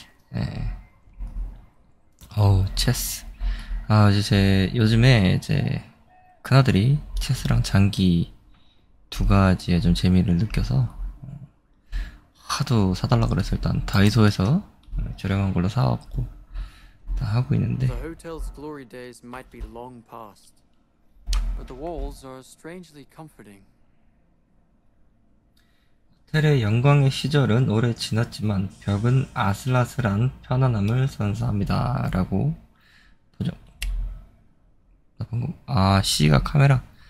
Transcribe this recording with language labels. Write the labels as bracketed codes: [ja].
[ko] 네. 체스. 요즘에 이제 큰아들이 체스랑 장기 두 가지에 좀 재미를 느껴서 하도 사달라 그래서 일단 다이소에서 저렴한 걸로 사왔고 다 하고 있는데. [en] The hotel's glory days might be long past. But the walls are strangely comforting. [ko] 호텔의 영광의 시절은 오래 지났지만 벽은 아슬아슬한 편안함을 선사합니다. 라고 보죠. C가 카메라.